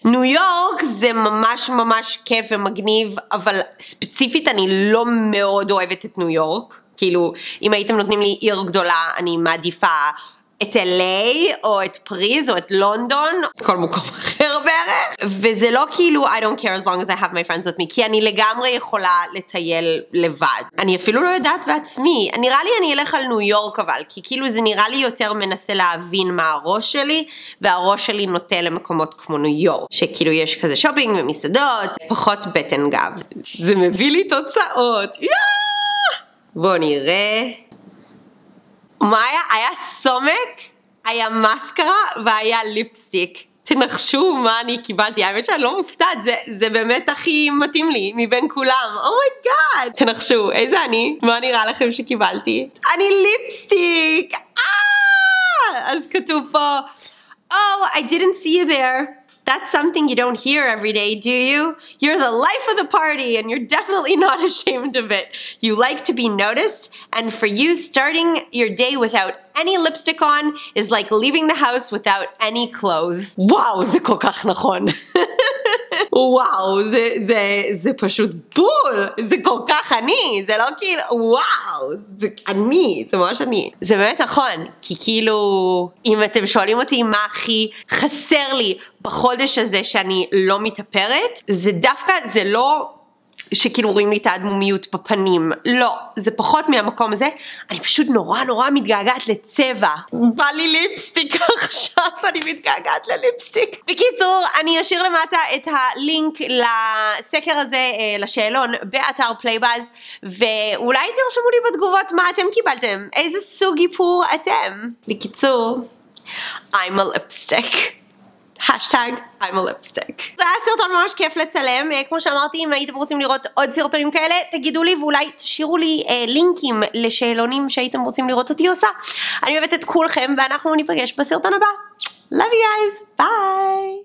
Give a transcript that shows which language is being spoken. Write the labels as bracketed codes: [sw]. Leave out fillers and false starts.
[he] ניו יורק זה ממש ממש כיף ומגניב, אבל ספציפית אני לא מאוד אוהבת את ניו יורק. כאילו, אם הייתם נותנים לי עיר גדולה, אני מעדיפה את LA או את פריז או את לונדון, כל מקום אחר בערך. וזה לא כאילו, [en] I don't care as long as I have my friends with me, [he] כי אני לגמרי יכולה לטייל לבד. אני אפילו לא יודעת בעצמי. נראה לי אני אלך על ניו יורק אבל, כי כאילו זה נראה לי יותר מנסה להבין מה הראש שלי, והראש שלי נוטה למקומות כמו ניו יורק, שכאילו יש כזה שופינג ומסעדות, פחות בטן גב. זה מביא לי תוצאות. בואו נראה. מה היה? היה סומק, היה מסקרה והיה ליפסטיק. תנחשו מה אני קיבלתי. האמת שאני לא מופתעת, זה באמת הכי מתאים לי מבין כולם. [en] Oh my god! [he] תנחשו, איזה אני? מה נראה לכם שקיבלתי? אני ליפסטיק! אז כתוב פה, [en] Oh, I didn't see you there. That's something you don't hear every day, do you? You're the life of the party, and you're definitely not ashamed of it. You like to be noticed, and for you, starting your day without any lipstick on is like leaving the house without any clothes. [he] Wow, זה כל כך נכון. וואו, זה פשוט בול, זה כל כך אני, זה לא כאילו, וואו, זה אני, זה ממש אני. זה באמת נכון, כי כאילו, אם אתם שואלים אותי מה הכי חסר לי בחודש הזה שאני לא מתאפרת, זה דווקא, זה לא שכאילו רואים לי את האדמומיות בפנים, לא, זה פחות מהמקום הזה, אני פשוט נורא נורא מתגעגעת לצבע. בא לי ליפסטיק עכשיו, אני מתגעגעת לליפסטיק. בקיצור, אני אשאיר למטה את הלינק לסקר הזה, לשאלון, באתר פלייבאז, ואולי תרשמו לי בתגובות מה אתם קיבלתם, איזה סוג איפור אתם. בקיצור, [en] I'm a lipstick. Hashtag I'm a lipstick. [he] זה היה סרטון ממש כיף לצלם, כמו שאמרתי, אם הייתם רוצים לראות עוד סרטונים כאלה, תגידו לי ואולי תשאירו לי לינקים לשאלונים שהייתם רוצים לראות אותי עושה. אני אוהבת את כולכם ואנחנו ניפגש בסרטון הבא. [en] Love you guys, bye!